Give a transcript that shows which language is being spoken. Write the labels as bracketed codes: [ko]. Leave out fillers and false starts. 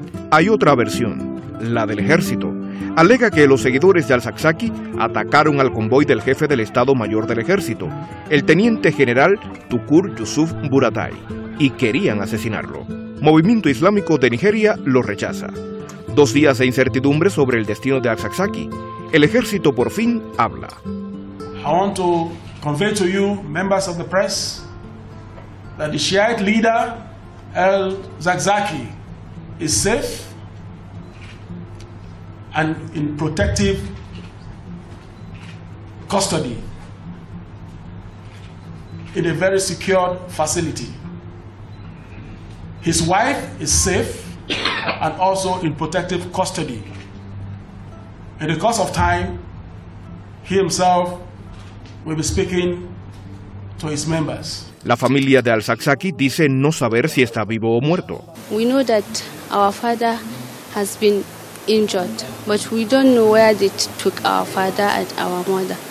[es] Hay otra versión, la del ejército. Alega que los seguidores de al-Zakzaki atacaron al convoy del jefe del Estado Mayor del Ejército, el teniente general Tukur Yusuf Buratai, y querían asesinarlo. Movimiento Islámico de Nigeria lo rechaza. 2 días de incertidumbre sobre el destino de al-Zakzaki. El ejército por fin habla. [en] I want to convey to you, members of the press, that the Shiite leader al-Zakzaki is safe and in protective custody in a very secured facility. His wife is safe and also in protective custody. In the course of time, he himself will be speaking to his members. [es] La familia de al-Zakzaki dice no saber si está vivo o muerto. [en] We know that our father has been injured, but we don't know where they took our father and our mother.